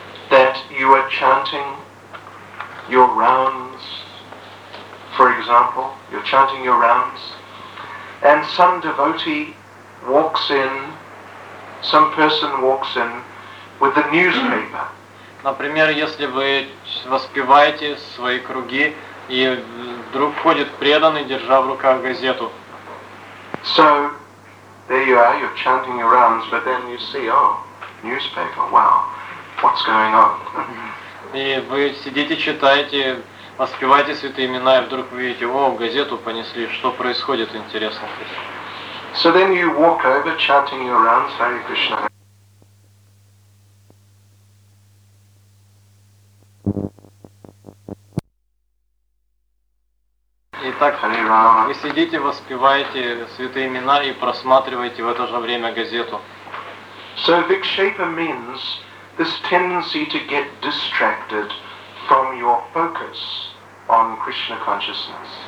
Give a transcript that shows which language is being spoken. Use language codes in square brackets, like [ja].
[en] That you are chanting your rounds, example, you're chanting your rounds, and some devotee walks in, some person walks in with the newspaper. [ru] Например, если вы воспеваете свои круги, и вдруг входит преданный, держа в руках газету. [en] So, there you are, you're chanting your rounds, but then you see, oh, newspaper, wow, what's going on? [ru] И вы сидите, читаете, воспеваете святые имена, и вдруг вы видите, о, газету понесли, что происходит интересно. [en] So then you walk over, chanting your rounds, Hare Krishna. [ru] Итак, вы сидите, воспеваете святые имена и просматриваете в это же время газету. [en] So vikshepa means this tendency to get distracted from your focus on Krishna consciousness.